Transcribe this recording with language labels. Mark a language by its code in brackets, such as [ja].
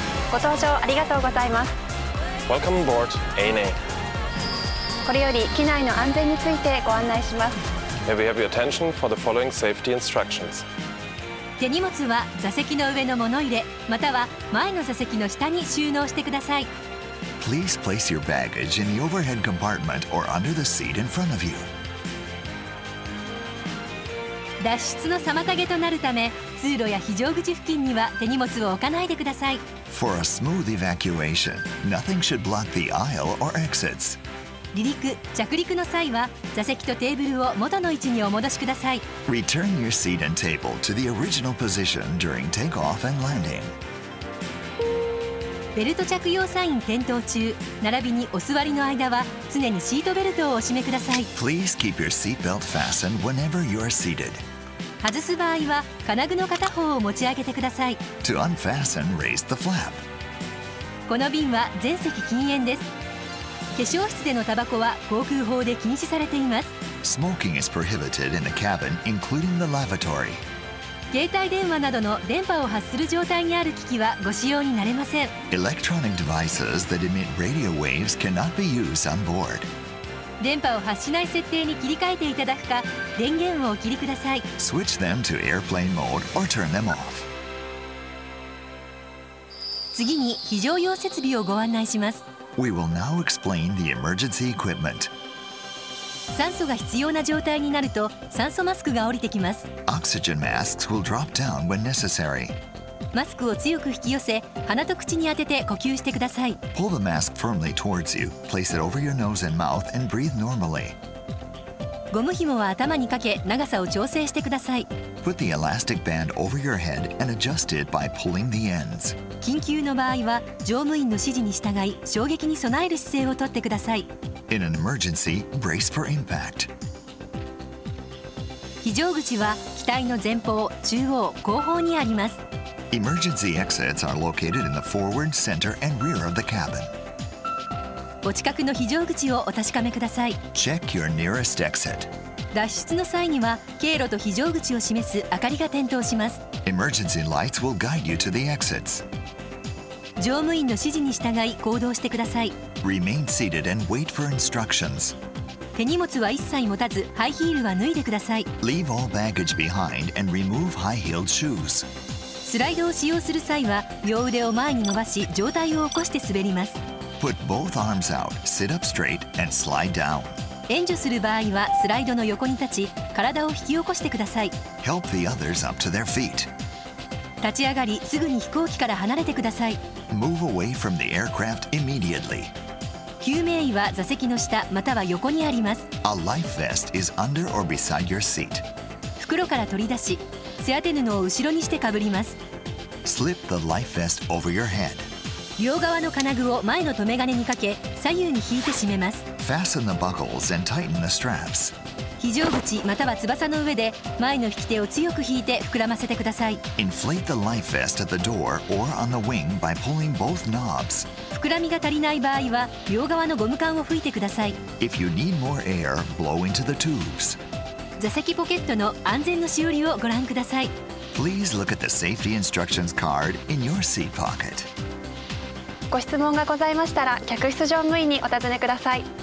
[ja] ご搭乗ありがとうございます。 [en] Welcome aboard ANA. [ja] これより機内の安全についてご案内します。 [en] May we have your attention for the following safety instructions. [ja] 手荷物は座席の上の物入れまたは前の座席の下に収納してください。 [en] Please place your baggage in the overhead compartment or under the seat in front of you. [ja] 脱出の妨げとなるため通路や非常口付近には手荷物を置かないでください。 [en] For a smooth evacuation, nothing should block the aisle or exits. [ja] 離陸、着陸の際は座席とテーブルを元の位置にお戻しください。 [en] Return your seat and table to the original position during takeoff and landing. [ja] ベルト着用サイン点灯中、並びにお座りの間は常にシートベルトをお締めください。 [en] Please keep your seatbelt fastened whenever you are seated. [ja] 外す場合は金具の片方を持ち上げてください。 [en] To unfasten, raise the flap. [ja] この便は全席禁煙です。化粧室でのタバコは航空法で禁止されています。 [en] Smoking is prohibited in the cabin, including the lavatory. [ja] 携帯電話などの電波を発する状態にある機器はご使用になれません。 [en] Electronic devices that emit radio waves cannot be used on board. [ja] 電波を発しない設定に切り替えていただくか電源をお切りください。 [en] Switch them to airplane mode or turn them off. [ja] 次に非常用設備をご案内します。 [en] We will now explain the emergency equipment. [ja] 酸素が必要な状態になると酸素マスクが降りてきます。 [en] Oxygen masks will drop down when necessary. [ja] マスクを強く引き寄せ鼻と口に当てて呼吸してください。 [en] Pull the mask firmly towards you. Place it over your nose and mouth and breathe normally. [ja] ゴム紐は頭にかけ長さを調整してください。 [en] Put the elastic band over your head and adjust it by pulling the ends. [ja] 緊急の場合は乗務員の指示に従い衝撃に備える姿勢をとってください。 [en] In an emergency, brace for impact. [ja] 非常口は機体の前方、中央、後方にあります。 [en] Emergency exits are located in the forward, center, and rear of the cabin. [ja] お近くの非常口をお確かめください。 [en] Check your nearest exit. [ja] 脱出の際には経路と非常口を示す明かりが点灯します。 [en] Emergency lights will guide you to the exits. [ja] 乗務員の指示に従い行動してください。 [en] Remain seated and wait for instructions. [ja] 手荷物は一切持たずハイヒールは脱いでください。 [en] Leave all baggage behind and remove high-heeled shoes. [ja] スライドを使用する際は両腕を前に伸ばし上体を起こして滑ります。 [en] Put both arms out, sit up straight and slide down. [ja] 援助する場合はスライドの横に立ち体を引き起こしてください。 [en] Help the others up to their feet. [ja] 立ち上がりすぐに飛行機から離れてください。 [en] Move away from the aircraft immediately. [ja] 救命衣は座席の下または横にあります。 [en] A life vest is under or beside your seat. [ja] 袋から取り出し背当て布を後ろにしてかぶります。 [en] Slip the life vest over your head. [ja] 両側の金具を前の留め金にかけ左右に引いて締めます。 [en] Fasten the buckles and tighten the straps. [ja] 非常口または翼の上で前の引き手を強く引いて膨らませてください。 [en] Inflate the life vest at the door or on the wing by pulling both knobs. [ja] 膨らみが足りない場合は両側のゴム管を吹いてください。 [en] If you need more air, blow into the tubes. [ja] 座席ポケットの安全のしおりをご覧ください。 [en] Please look at the safety instructions card in your seat pocket. [ja] ご質問がございましたら客室乗務員にお尋ねください。